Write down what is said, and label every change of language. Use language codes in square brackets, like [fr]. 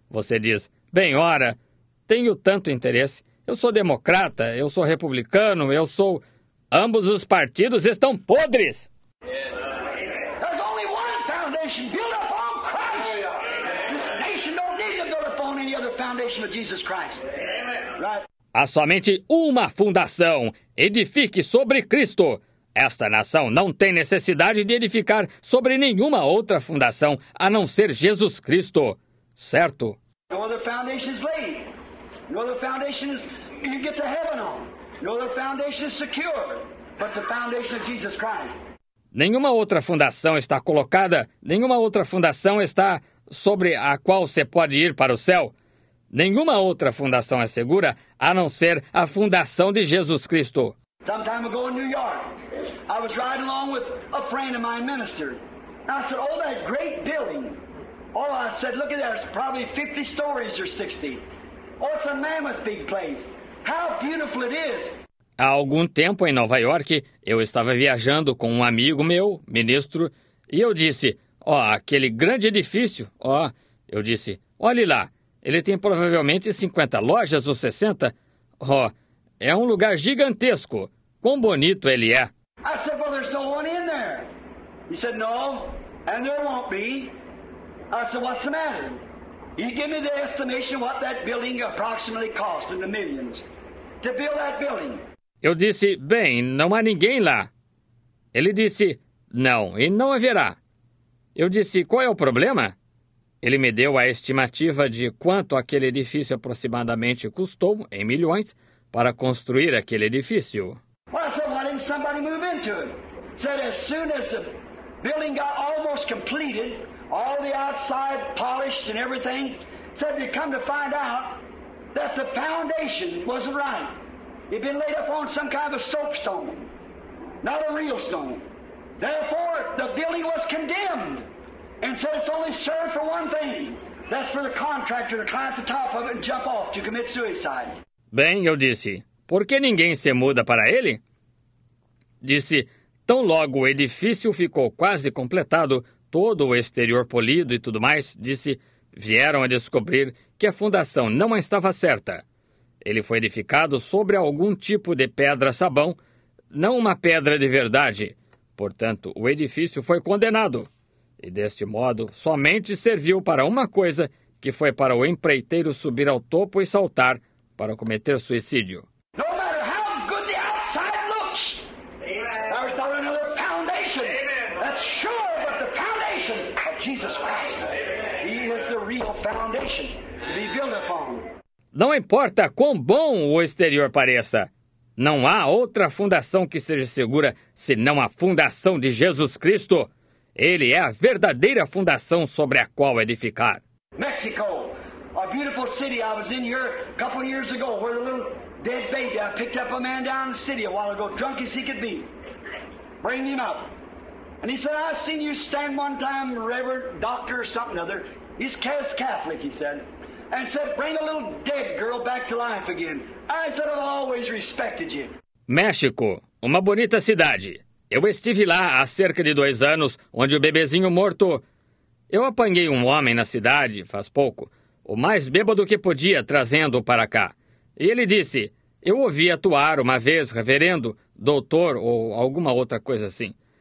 [pt] Você diz, bem, ora, tenho tanto interesse. Eu sou democrata, eu sou republicano, eu sou... Ambos os partidos estão podres! [en] There's only one foundation built upon Christ! This nation don't need to build upon any other foundation of Jesus Christ. [pt] Há somente uma fundação. Edifique sobre Cristo. Esta nação não tem necessidade de edificar sobre nenhuma outra fundação, a não ser Jesus Cristo. Certo? [en] No other foundation is laid. No other foundation is you get to heaven on. No other foundation is secure, but the foundation of Jesus Christ. [pt] Nenhuma outra fundação está colocada, nenhuma outra fundação está sobre a qual se pode ir para o céu. Nenhuma outra fundação é segura, a não ser a fundação de Jesus Cristo. [en] Some time ago in New York, I was riding along with a friend of mine, minister. And I said, oh, that great building. Oh, I said, look at that, it's probably 50 stories or 60. Oh, it's a mammoth big place. How beautiful it is. [pt] Há algum tempo em Nova York, eu estava viajando com um amigo meu, ministro, e eu disse, ó, aquele grande edifício, ó, eu disse, olhe lá. Ele tem provavelmente 50 lojas ou 60. Oh, é um lugar gigantesco. Quão bonito ele é. [en] I said, well, there's no one in there. He said, no, and there won't be. I said, what's the matter? He gave me the estimation of what that building approximately cost in the millions to build that building. [pt] Eu disse, bem, não há ninguém lá. Ele disse, não, e não haverá. Eu disse, qual é o problema? Ele me deu a estimativa de quanto aquele edifício aproximadamente custou, em milhões, para construir aquele edifício. [en] Well, I said, why didn't somebody move into it? Said, as soon as the building got almost completed, all the outside polished and everything, said, they come to find out that the foundation wasn't right. It'd been laid up on some kind of a soapstone, not a real stone. Therefore, the building was condemned. And said it's only served for one thing. That's for the contractor to climb at the top of it and jump off to commit suicide. [pt] Bem, eu disse, por que ninguém se muda para ele? Disse, tão logo o edifício ficou quase completado, todo o exterior polido e tudo mais, disse, vieram a descobrir que a fundação não estava certa. Ele foi edificado sobre algum tipo de pedra sabão, não uma pedra de verdade. Portanto, o edifício foi condenado. E deste modo, somente serviu para uma coisa, que foi para o empreiteiro subir ao topo e saltar para cometer suicídio. [en] No matter how good the outside looks, there's not another foundation that's sure but the foundation of Jesus Christ. He is the real foundation to be built upon. [pt] Não importa quão bom o exterior pareça, não há outra fundação que seja segura senão a fundação de Jesus Cristo. Ele é a verdadeira fundação sobre a qual edificar. [en] Mexico, a beautiful city. I was in here a couple of years ago with a little dead baby. I picked up a man down the city a while ago, drunk as he could be. Bring him up. And he said, I've seen you stand one time, Reverend Doctor or something other. He's Catholic, he said. And said, bring a little dead girl back to life again. I said, I've always respected you. [pt] México, uma bonita cidade. Eu estive lá há cerca de 2 anos, onde o bebezinho morto... Eu apanhei um homem na cidade, faz pouco, o mais bêbado que podia, trazendo-o para cá. E ele disse, eu ouvi atuar uma vez, reverendo, doutor ou alguma outra coisa assim.